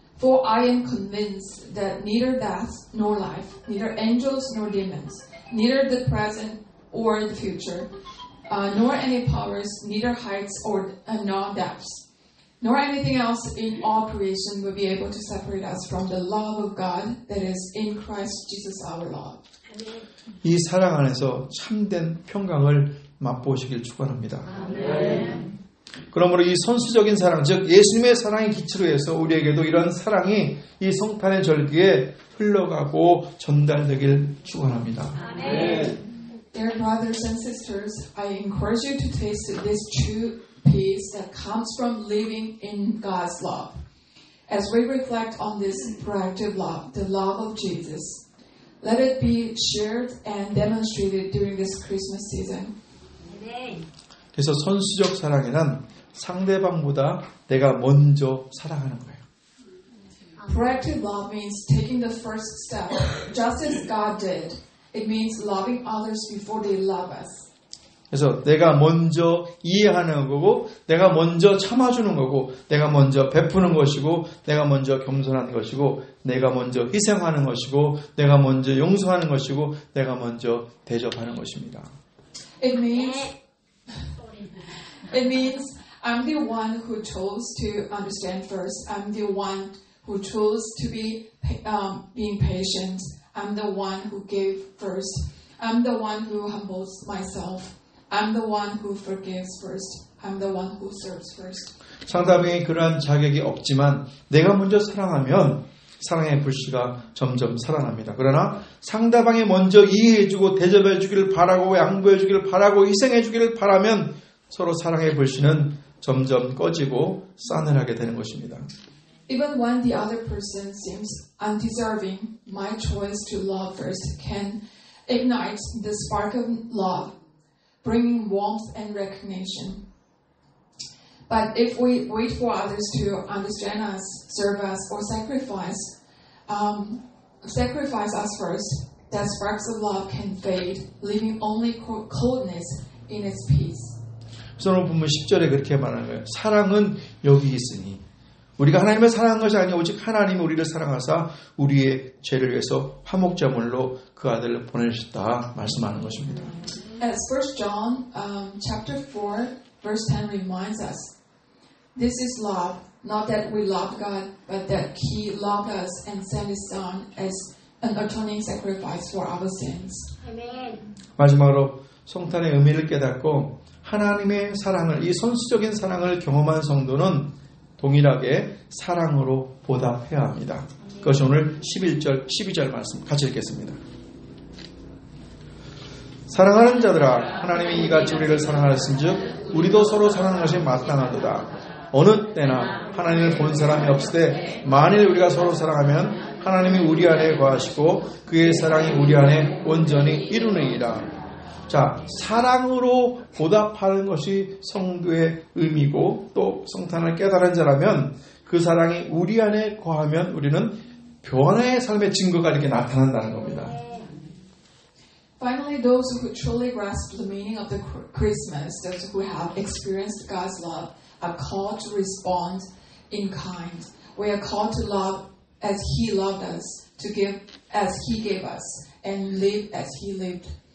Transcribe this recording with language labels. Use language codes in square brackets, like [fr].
[en] For I am convinced that neither death nor life, neither angels nor demons, neither the present or the future, nor any powers, neither heights or nor depths, nor anything else in all creation will be able to separate us from the love of God that is in Christ Jesus our Lord. [ko] 이 사랑 안에서 참된 평강을 맛보시길 축원합니다. 그러므로 이 선수적인 사랑, 즉 예수님의 사랑의 기초로 해서 우리에게도 이런 사랑이 이 성탄의 절기에 흘러가고 전달되길 축원합니다. [en] Dear brothers and sisters, I encourage you to taste this true peace that comes from living in God's love. As we reflect on this proactive love, the love of Jesus, let it be shared and demonstrated during this Christmas season. [ko] 그래서 선수적 사랑이란 상대방보다 내가 먼저 사랑하는 거예요. [en] Proactive love means taking the first step, just as God did. It means loving others before they love us. [ko] 그래서 내가 먼저 이해하는 거고 내가 먼저 참아주는 거고 내가 먼저 베푸는 것이고 내가 먼저 겸손한 것이고 내가 먼저 희생하는 것이고 내가 먼저 용서하는 것이고 내가 먼저 대접하는 것입니다. [en] It means I'm the one who chose to understand first. I'm the one who chose to be being patient. I'm the one who gave first. I'm the one who humbles myself. I'm the one who forgives first. I'm the one who serves first. [ko] 상대방에게 그러한 자격이 없지만 내가 먼저 사랑하면 사랑의 불씨가 점점 살아납니다. 그러나 상대방이 먼저 이해해 주고 대접해 주기를 바라고 양보해 주기를 바라고 희생해 주기를 바라면 서로 사랑의 불씨는 점점 꺼지고 싸늘하게 되는 것입니다. [en] Even when the other person seems undeserving, my choice to love first can ignite the spark of love, bringing warmth and recognition. But if we wait for others to understand us, serve us, or sacrifice us first, that sparks of love can fade, leaving only coldness in its peace. [ko] 그래서 보면 10절에 그렇게 말하는 거예요. 사랑은 여기 있으니 우리가 하나님을 사랑한 것이 아니오 오직 하나님이 우리를 사랑하사 우리의 죄를 위해서 화목제물로 그 아들을 보내셨다 말씀하는 것입니다. [en] As 1 John chapter 4 verse 10 reminds us, this is love, not that we love God, but that He loved us and sent His Son as an atoning sacrifice for our sins. Amen. [ko] 마지막으로 성탄의 의미를 깨닫고 하나님의 사랑을 이 선수적인 사랑을 경험한 성도는 동일하게 사랑으로 보답해야 합니다. 그것이 오늘 11절, 12절 말씀 같이 읽겠습니다. 사랑하는 자들아 하나님이 이같이 우리를 사랑하셨은즉 우리도 서로 사랑하는 것이 마땅하도다. 어느 때나 하나님을 본 사람이 없으되 만일 우리가 서로 사랑하면 하나님이 우리 안에 거하시고 그의 사랑이 우리 안에 온전히 이루느니라. 자, 사랑으로 보답하는 것이 성도의 의미고 또 성탄을 깨달은 자라면 그 사랑이 우리 안에 거하면 우리는 변화의 삶의 증거가 이렇게 나타난다는 겁니다. [en] Finally, those who truly grasp the meaning of the Christmas, those who have experienced God's love, are called to respond in kind. We are called to love as He loved us, to give as He gave us, and live as He lived.